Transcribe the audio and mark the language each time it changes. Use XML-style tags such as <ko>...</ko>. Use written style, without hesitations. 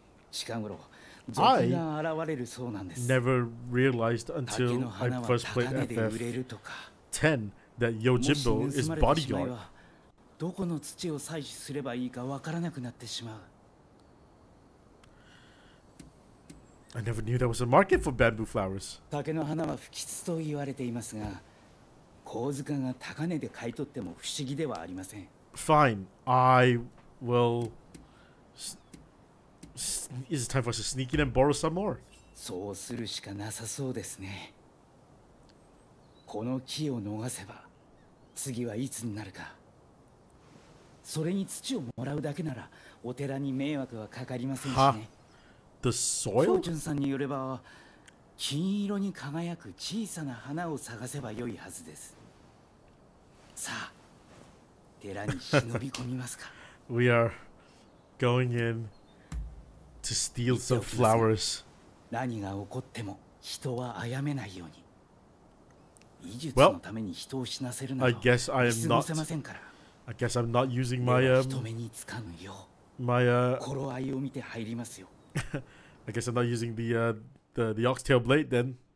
<ja>近頃、賊が現れるそうなんです。</ja> <en>I never realized until I first played FF 10 that Yojimbo is bodyguard.</en> <ja>どこの土を採取すればいいかわからなくなってしまう。</ja> <en>I never knew there was a market for bamboo flowers.</en> <ja>竹の花は不吉と言われていますが、香塚が高値で買い取っても不思議ではありません。</ja> <en>Fine, I will. Is it time for us to sneak in and borrow some more?</en> <ja>そうするしかなさそうですね。この木を逃せば次はいつになるか。それに土をもらうだけならお寺に迷惑はかかりませんしね。</ja> <en>The soil?</en> <ja>総順さんによれば金色に輝く小さな花を探せばよいはずです。さあ、寺に忍び込みますか。</ja> <en>We are going in to steal some flowers.</en> <ja>何が起こっても人は殺めないように。医術のために人を死なせるなど見過ごせませんから。</ja> <en>I guess I'm not using my I guess I'm not using the oxtail blade then.</en>